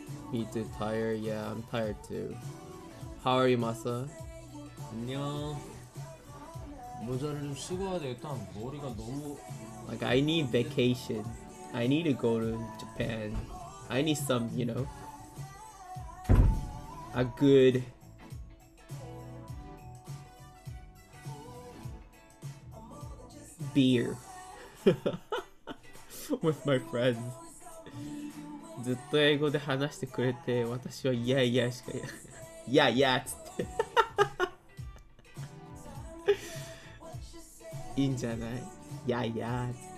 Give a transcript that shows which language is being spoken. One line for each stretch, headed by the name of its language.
English: Me too tired yeah I'm tired too How are you Masa
Korean: 안녕 모자를 좀 쓰고 와야 되겠다 머리가 너무
English: Like I need vacation I need to go to Japan I need some you know A good beer with my friends.
Japanese: ずっと英語で話してくれて私はいやいやしか言わない。いいんじゃない?いやいや。